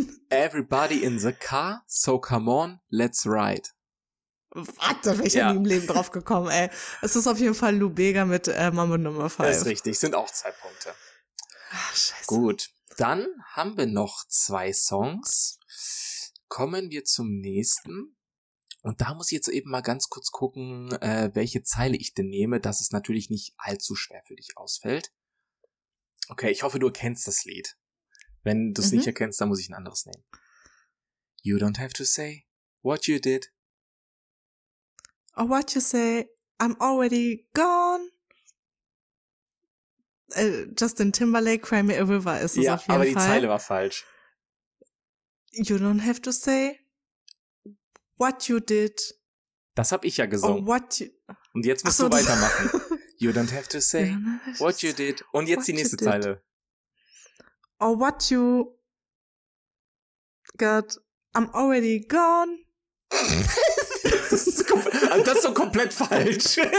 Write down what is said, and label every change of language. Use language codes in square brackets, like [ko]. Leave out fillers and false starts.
[en] Everybody in the car, so come on, let's ride. [de] Warte, wäre ich ja nie im Leben drauf gekommen, ey. Es ist auf jeden Fall Lou Bega mit Mambo Nummer 5. Ist richtig, sind auch 2 Punkte. Ach, scheiße. Gut, dann haben wir noch 2 Songs. Kommen wir zum nächsten. Und da muss ich jetzt eben mal ganz kurz gucken, welche Zeile ich denn nehme, dass es natürlich nicht allzu schwer für dich ausfällt. Okay, ich hoffe, du erkennst das Lied. Wenn du es nicht erkennst, dann muss ich ein anderes nehmen. [en] You don't have to say what you did. Or what you say, I'm already gone. [de] Justin Timberlake, Cry Me a River ist es ja, auf jeden Fall. Ja, aber die Zeile war falsch. [en] You don't have to say what you did. [de] Das habe ich ja gesungen. [en] What you, [de] und jetzt musst du weitermachen. [en] You don't have to say what you did. [de] Und jetzt die nächste Zeile. [en] Or what you got, I'm already gone. [de] Das ist so komplett falsch.